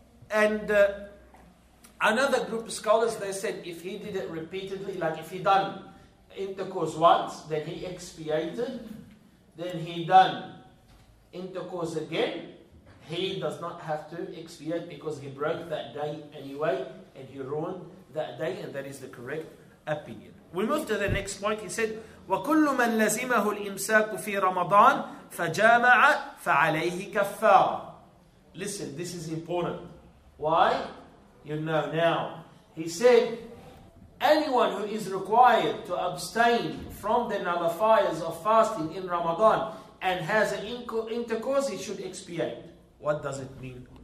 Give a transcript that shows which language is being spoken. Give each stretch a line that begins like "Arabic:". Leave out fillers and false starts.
English: And another group of scholars, they said if he did it repeatedly, like if he done intercourse once, then he expiated, then he done intercourse again, he does not have to expiate because he broke that day anyway, and he ruined that day, and that is the correct opinion. We move to the next point. He said,
Arabic: وَكُلُّ مَنْ لَزِمَهُ الْإِمْسَاكُ فِي رَمَضَانِ فَجَامَعَ فَعَلَيْهِ كَفَّارٌ.
English: Listen, this is important. Why? You know now. He said, anyone who is required to abstain from the nullifiers of fasting in Ramadan and has an intercourse, he should expiate. What does it mean?